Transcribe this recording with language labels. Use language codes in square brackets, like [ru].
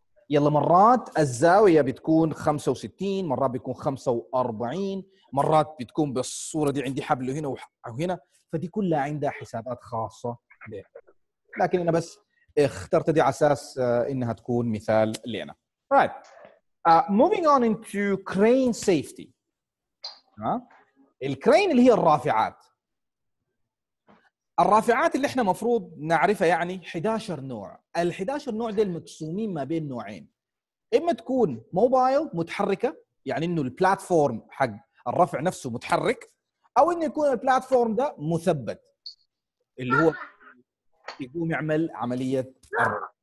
[ar] يلا مرات الزاويه بتكون 65 مرات بيكون 45 مرات بتكون بالصوره دي عندي حبل هنا وهنا فدي كلها عندها حسابات خاصه بها. لكن انا بس اخترت دي على اساس انها تكون مثال لينا. [en] Right. Moving on into crane safety. [ar] الكرين اللي هي الرافعات. الرافعات اللي احنا مفروض نعرفها يعني 11 نوع. ال 11 نوع دي المقسومين ما بين نوعين. اما تكون موبايل متحركة يعني انه البلاتفورم حق الرفع نفسه متحرك او انه يكون البلاتفورم ده مثبت اللي هو يقوم يعمل عملية الرفع.